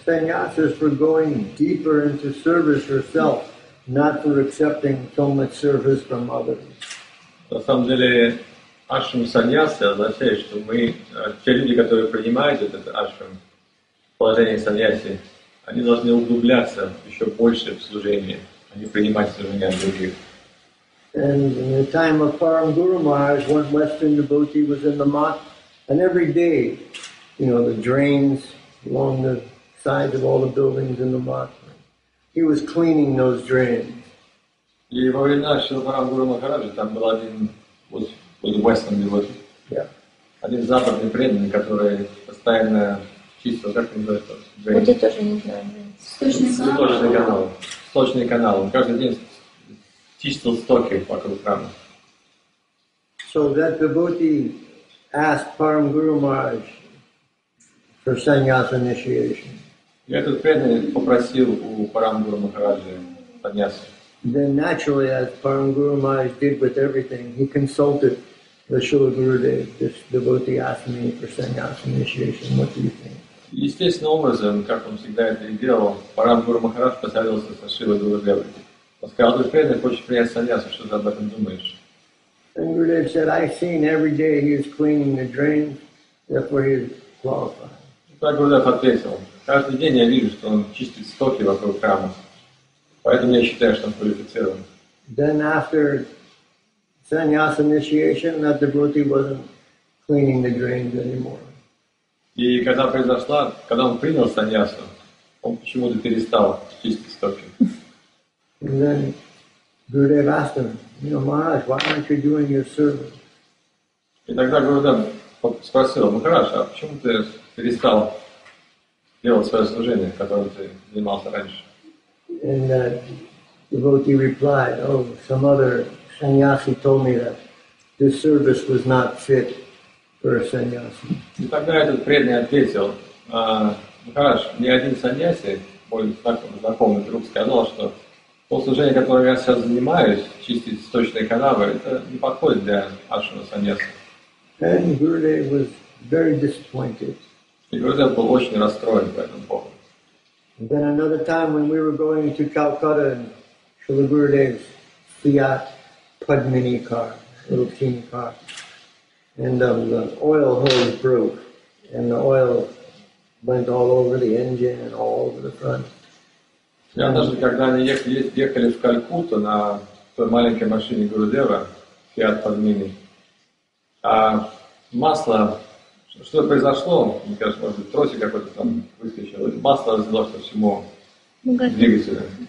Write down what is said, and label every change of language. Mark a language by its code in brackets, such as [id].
[en] Sannyasa is for going deeper into service yourself, not for accepting so much service from others. [ru] На самом деле, ашрам саньяса означает, что мы, те люди, которые принимают этот ашрам, положение саньяси, они должны углубляться еще больше в служение, а не принимать служение от других. [en] And in the time of Param Guru Maharaj, one Western devotee was in the mosque, and every day, you know, the drains along the sides of all the buildings in the mosque, he was cleaning those drains. [ru] И во времена Шрила Парамгуру Махараджа там был один [en] Western devotee, [ru] один западный преданный, который постоянно чистил, как он называется, Вот я тоже не знаю. Сточный Сточный канал. Сточный канал. Он каждый день чистил стоки вокруг храма. [en] So that devotee asked Param Guru Maharaj for sannyasa initiation. [ru] И этот преданный попросил у Парамгуру Махараджи подняться. [en] Then naturally, as Param Guru Maharaj did with everything, he consulted the Shila Gurudev. This devotee asked me for sannyasa initiation. What do you think? [ru] Естественным образом, как он всегда это и делал, Парам Гуру Махарадж посоветовался со Шрилой Гурудевой. Он сказал, ты преданный, хочешь принять саньясу, что ты об этом думаешь? [en] And Gurudev said, I've seen every day he is cleaning the drains, therefore he is qualified. [ru] Так Гурудев ответил, каждый день я вижу, что он чистит стоки вокруг храма, поэтому я считаю, что он квалифицирован. [en] Then after sannyasa initiation, that devotee wasn't cleaning the drains anymore. [ru] И когда произошла, когда он принял саньясу, он почему-то перестал чистить стоки. [en] And then Gurudev asked him, you know, Maharaj, why aren't you doing your service? [ru] И тогда Гурудев спросил, ну хорошо, а почему ты перестал делать свое служение, которым ты занимался раньше? [en] And the devotee replied, oh, some other sannyasi told me that this service was not fit for a sannyasi. [ru] И тогда этот преданный ответил, ну хорошо, мне один саньяси, мой знакомый друг, сказал, что то служение, которым я сейчас занимаюсь, чистить сточные канавы, это не подходит для ашрама саньяса. [en] And Gurudev was very disappointed. [ru] И Гурудев был очень расстроен по этому поводу. [en] And then another time when we were going to Calcutta in Srila Gurudev's Fiat Padmini car, little teeny car, and the oil hose broke, and the oil went all over the engine and all over the front. [ru] Я даже когда они ехали в Калькутту на той маленькой машине Гурудева, Fiat Padmini, масло, что произошло, мне кажется, может быть, тросик какой-то там выскочил, масло разлилось по всему двигателю.